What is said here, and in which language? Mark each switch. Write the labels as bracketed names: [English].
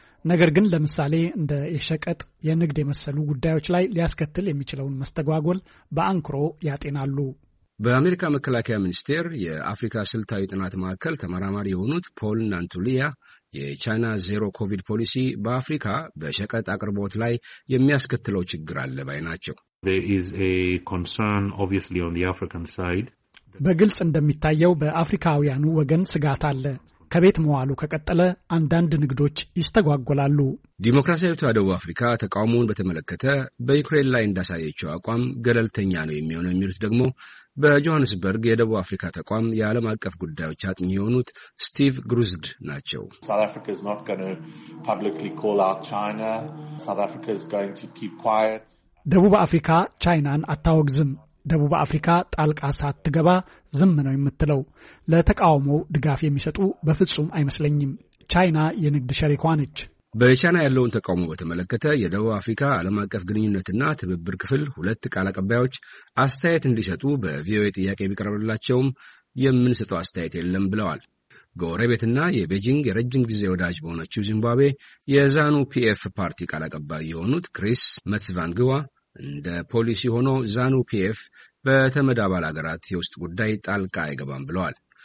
[Amharic] ነገር ግን ለምሳሌ እንደ የሸቀጥ የንግድ የመሰሉ ጉዳዮች ላይ ሊያስከትል የሚችለውን መስተጓጎል በአንክሮ ያጤናሉ። በአሜሪካ መከላከያ ሚኒስቴር የአፍሪካ ስልታዊ ጥናት ማዕከል ተመራማሪ የሆኑት ፖል ናንቱሊያ የቻይና ዜሮ ኮቪድ ፖሊሲ በአፍሪካ በሸቀጥ አቅርቦት ላይ የሚያስከትለው ችግር አለ ባይ ናቸው። [English] There is a concern obviously on the African side. [Amharic] በግልጽ እንደሚታየው በአፍሪካውያኑ ወገን ስጋት አለ። ከቤት መዋሉ ከቀጠለ አንዳንድ ንግዶች ይስተጓጎላሉ። ዲሞክራሲያዊቷ ደቡብ አፍሪካ ተቃውሞን በተመለከተ በዩክሬን ላይ እንዳሳየችው አቋም ገለልተኛ ነው የሚሆነው የሚሉት ደግሞ በጆሃንስበርግ የደቡብ አፍሪካ ተቋም የዓለም አቀፍ ጉዳዮች አጥኚ የሆኑት ስቲቭ ግሩዝድ ናቸው። [English] South Africa is not going to publicly call out China. South Africa is going to keep quiet. [Amharic] ደቡብ አፍሪካ ቻይናን አታወግዝም። ደቡብ አፍሪካ ጣልቃ ሳትገባ ዝም ነው የምትለው። ለተቃውሞ ድጋፍ የሚሰጡ በፍጹም አይመስለኝም። ቻይና የንግድ ሸሪኳ ነች። በቻይና ያለውን ተቃውሞ በተመለከተ የደቡብ አፍሪካ ዓለም አቀፍ ግንኙነትና ትብብር ክፍል ሁለት ቃል አቀባዮች አስተያየት እንዲሰጡ በቪኦኤ ጥያቄ ቢቀርብላቸውም የምንሰጠው አስተያየት የለም ብለዋል። ጎረቤትና የቤጂንግ የረጅም ጊዜ ወዳጅ በሆነችው ዚምባብዌ የዛኑ ፒኤፍ ፓርቲ ቃል አቀባይ የሆኑት ክሪስ መትስቫንግዋ እንደ ፖሊሲ ሆኖ ዛኑ ፒኤፍ በተመዳባል አገራት የውስጥ ጉዳይ ጣልቃ አይገባም ብለዋል።